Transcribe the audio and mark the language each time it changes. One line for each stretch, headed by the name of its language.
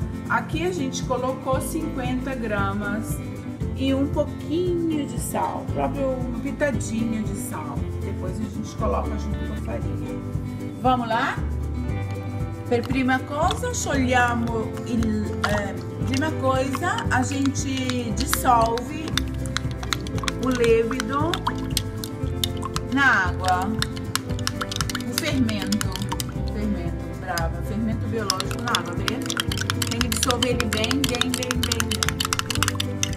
Portuguese: Aqui a gente colocou 50 gramas e um pouquinho de sal, próprio um pitadinho de sal. Depois a gente coloca junto com a farinha. Vamos lá?
Italian: Per prima cosa, sciogliamo il.
Portuguese: Prima coisa, a gente dissolve o lievito na água. O fermento. Fermento, brava. Fermento biológico na água, vê? Tem que dissolver ele bem, bem, bem, bem.